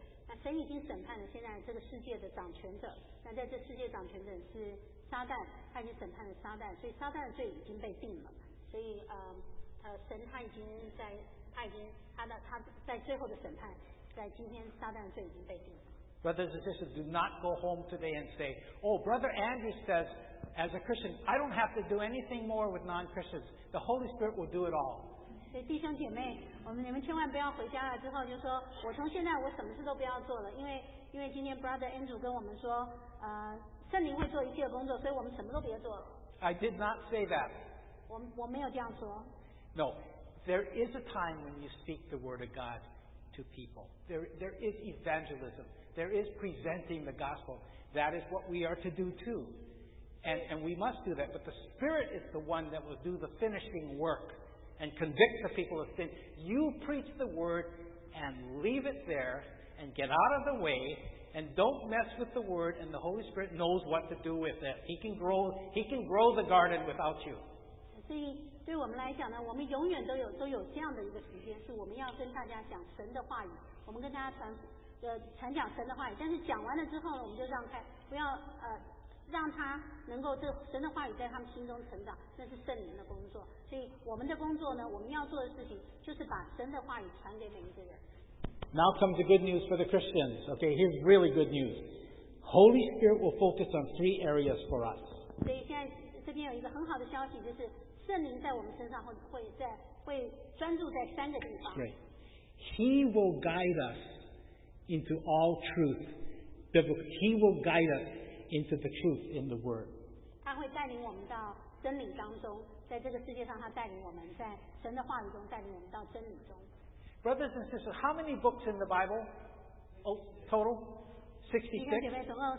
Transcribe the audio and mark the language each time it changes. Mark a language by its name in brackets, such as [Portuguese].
[Chinese] 那神已经审判了现在这个世界的掌权者，那在这世界掌权者是撒旦，他已经审判了撒旦，所以撒旦的罪已经被定了。所以，神他已经在他已经他的他在最后的审判，在今天撒旦的罪已经被定了。 [English] Brothers and sisters, do not go home today and say, "Oh, Brother Andrew says, as a Christian, I don't have to do anything more with non-Christians. The Holy Spirit will do it all." [Chinese] 弟兄姐妹，你们千万不要回家了之后就说，我从现在我什么事都不要做了，因为今天 Brother Andrew 跟我们说，圣灵会做一切工作，所以我们什么都别做了。 [English] I did not say that. [Chinese] 我没有这样说。 [English] No, there is a time when you speak the word of God to people. There is evangelism. There is presenting the gospel. That is what we are to do too. And we must do that. But the Spirit is the one that will do the finishing work and convict the people of sin. You preach the word and leave it there and get out of the way and don't mess with the word, and the Holy Spirit knows what to do with it. He can grow the garden without you. [Chinese] 所以对我们来讲呢，我们永远都有这样的一个时间，是我们要跟大家讲神的话语，我们跟大家传讲神的话语，但是讲完了之后呢，我们就让开，不要让他能够这神的话语在他们心中成长，那是圣灵的工作。所以我们的工作呢，我们要做的事情就是把神的话语传给每一个人。 [English] Now comes the good news for the Christians. Okay, here's really good news. Holy Spirit will focus on three areas for us. [Chinese] 所以现在这边有一个很好的消息，就是圣灵在我们身上会专注在三个地方。 [English] Right. He will guide us into all truth. He will guide us into the truth in the Word. [Chinese] 他会带领我们到真理当中，在这个世界上，他带领我们在神的话语中带领我们到真理中。 [English] Brothers and sisters, how many books in the Bible? Oh, total? 66?